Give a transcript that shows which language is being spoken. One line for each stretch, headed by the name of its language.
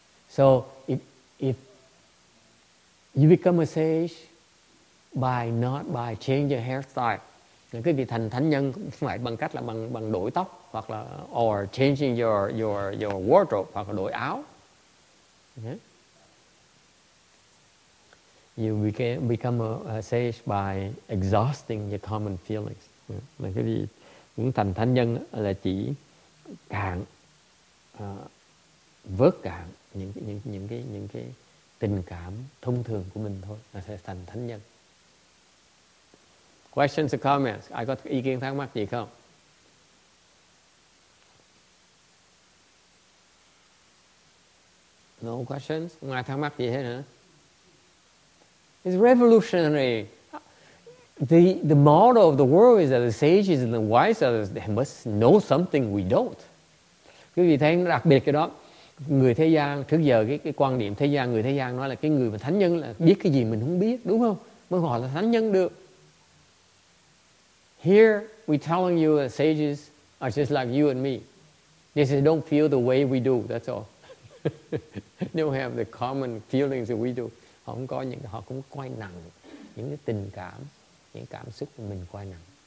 English: So if you become a sage by not by change your hairstyle.
Vietnamese: Cái vị thành thánh nhân cũng phải bằng cách là bằng đổi tóc hoặc là
English: or changing your wardrobe
Vietnamese: hoặc là đổi áo.
English: Okay. You become a sage by exhausting your common feelings.
Vietnamese: Mà cái vị muốn thành thánh nhân là chỉ cạn vớt cạn những cái tình cảm thông thường của mình thôi là sẽ thành thánh nhân.
English: Questions or comments?
Vietnamese: Ai có ý kiến thắc mắc gì không?
English: No questions?
Vietnamese: Không ai thắc mắc gì hết hả?
English: It's revolutionary. The model of the world is that the sages and the wise others, they must know something we don't.
Vietnamese: Quý vị thấy đặc biệt cái đó. Người thế gian, trước giờ cái quan điểm thế gian, người thế gian nói là cái người mà thánh nhân là biết cái gì mình không biết, đúng không? Mới gọi là thánh nhân được.
English: Here, we're telling you that sages are just like you and me. They say, don't feel the way we do, that's all. They don't have the common feelings that we do.
Vietnamese: Họ không có những, họ cũng quay nặng những cái tình cảm, những cảm xúc của mình quay nặng.